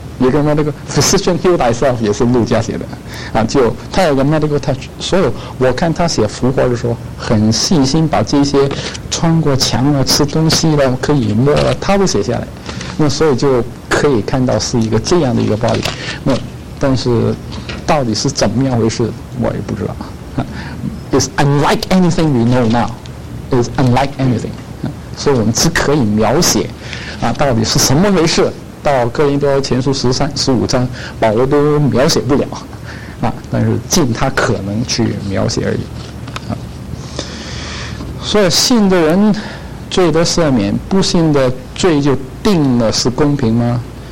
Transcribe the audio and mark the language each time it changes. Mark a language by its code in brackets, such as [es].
[zh] 一个 [en] medical physician heal thyself [zh] 也是路加写的啊，就他有个 [en] medical touch， [zh] 所以我看他写复活的时候很细心，把这些穿过墙了、吃东西了、可以摸了，他都写下来。那所以就可以看到是一个这样的一个 body。那但是到底是怎么样回事我也不知道。 [en] It's unlike anything we know now. It's unlike anything、 [zh] 啊、所以我们只可以描写啊，到底是什么回事。到哥林多前书13、15章，保罗都描写不了，啊，但是尽他可能去描写而已，啊。所以信的人罪得赦免，不信的罪就定了，是公平吗？